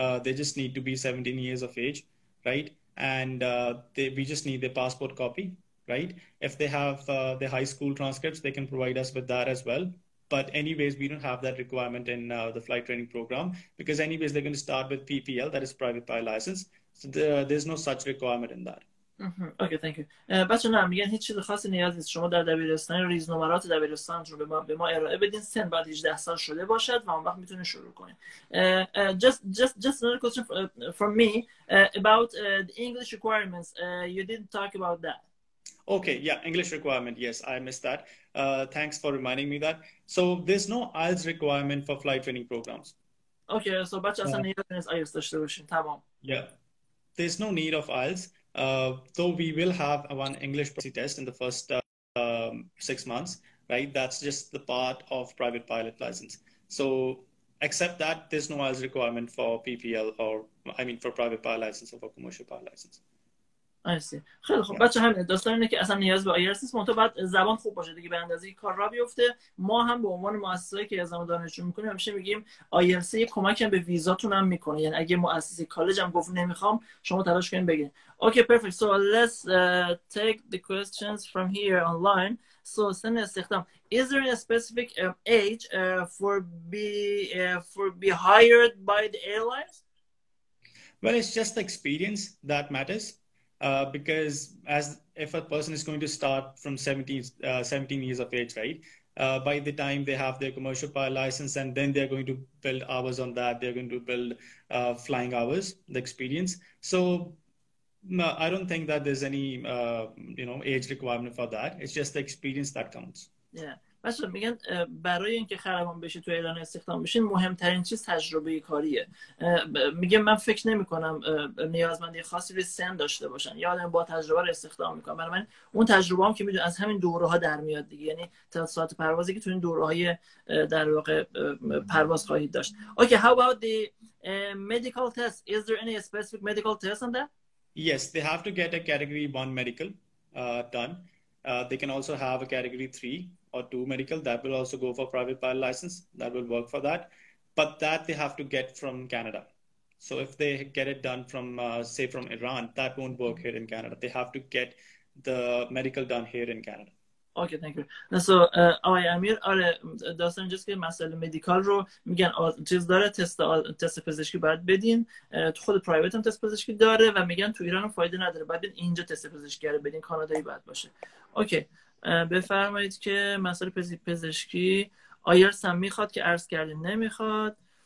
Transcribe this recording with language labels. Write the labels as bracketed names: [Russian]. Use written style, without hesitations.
[English] They just need to be 17 years of age, right? And we just need their passport copy, right? If they have their high school transcripts, they can provide us with that as well. But anyways, we don't have that requirement in the flight training program because anyways, they're going to start with PPL, that is private pilot license. So there's no such requirement in that. Okay thank you. [Persian] بچه نه میگن هیچ چیز خاصی نیاز نیست، شما در دبیرستان ریز نمرات دبیرستان رو به ما ارائه بدین، سن بعد 18 سال شده باشد و اون وقت میتونین شروع کنین. [English] Just another question from me about the English requirements. You didn't talk about that. Okay, yeah, English requirement. Yes, I missed that. Thanks for reminding me that. So there's no IELTS requirement for flight training programs. Okay, so [Persian] بچه اصلا نیاز نیست IELTS داشته باشین. تمام. [English] Yeah. There's no need of IELTS. Though we will have one English proficiency test in the first 6 months, right? That's just the part of private pilot license. So except that, there's no IELTS requirement for PPL or, I mean, for private pilot license or for commercial pilot license. I see. [Persian] خیلی خوب. بچه همینه. داستان اینه که اصلا نیاز به IELTS نیست. منتها باید زبان خوب باشه دیگه به اندازه کار را بیفته. ما هم به عنوان مؤسسه‌ای که اعزام دانشجو میکنیم همیشه میگیم IELTS کمک هم به ویزاتون هم میکنه. یعنی اگه مؤسسه کالج هم گفت نمیخوام، شما تلاش کنید بگید. [English] Okay, perfect. So let's take the questions from here online. [Persian] So سن استخدام. [English] Is there a specific age for be hired by the airlines? Well, it's just experience that matters. Because if a person is going to start from 17 years of age, right, by the time they have their commercial pilot license and then they're going to build hours on that, they're going to build flying hours, the experience. So I don't think that there's any, age requirement for that. It's just the experience that counts. Yeah. [Persian] بچه‌ها میگن برای اینکه خلبان بشی تو اعلان استخدام بشین مهمترین چیز تجربه کاریه. میگه من فکر نمی‌کنم نیازمندی خاصی به سن داشته باشن، یادم با تجربه رو استخدام میکنم. برای من اون تجربه هم که میدونم از همین دوره‌ها در میاد دیگه، یعنی تا ساعت پروازی که تو این دوره‌های در واقع پرواز خواهید داشت. [English] Okay, how about the medical test? Is there any specific medical test on that? Yes, they have to get a category 1 medical done. They can also have a category 3 or 2 medical, that will also go for private pilot license. That will work for that. But that they have to get from Canada. So if they get it done from, say, from Iran, that won't work here in Canada. They have to get the medical done here in Canada. Okay thank you. [Persian] نسو آقای امیر، آره داستان اینجاست که مسئله مدیکال رو میگن چیز داره، تست پزشکی باید بدین. تو خود پرایوت هم تست پزشکی داره و میگن تو ایران فایده نداره، باید اینجا تست پزشکی رو بدین، کانادایی باید باشه. اوکی بفرمایید که مسئله پزشکی آیرس هم میخواد که عرض کردین نمیخواد.